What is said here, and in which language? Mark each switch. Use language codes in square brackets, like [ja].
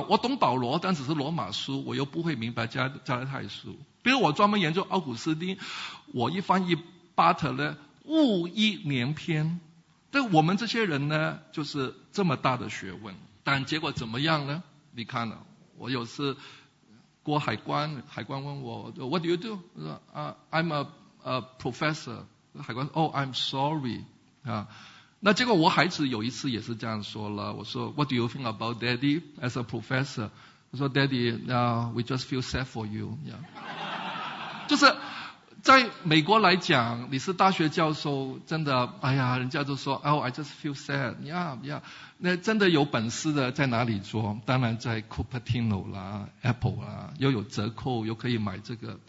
[zh] 我懂保罗，但只是罗马书，我又不会明白加拉太书。比如我专门研究奥古斯丁，我一翻译巴特勒，物一年篇。但我们这些人呢，就是这么大的学问，但结果怎么样呢？你看了，我有次。过海关，海关问我 [en] What do you do？ [zh] 我说 [en] I'm a professor。 [zh] 海关说 [en] Oh I'm sorry、 [zh] 啊、那结果我孩子有一次也是这样说了，我说 [en] What do you think about daddy as a professor？ [zh] 我说 [en] Daddy、We just feel sad for you、yeah. [zh] 就是在美国来讲，你是大学教授，真的，哎呀，人家就说 [en] Oh I just feel sad， yeah yeah。 [zh] 那真的有本事的在哪里做？当然在 Cupertino 啦， Apple 啦，又有折扣，又可以买这个。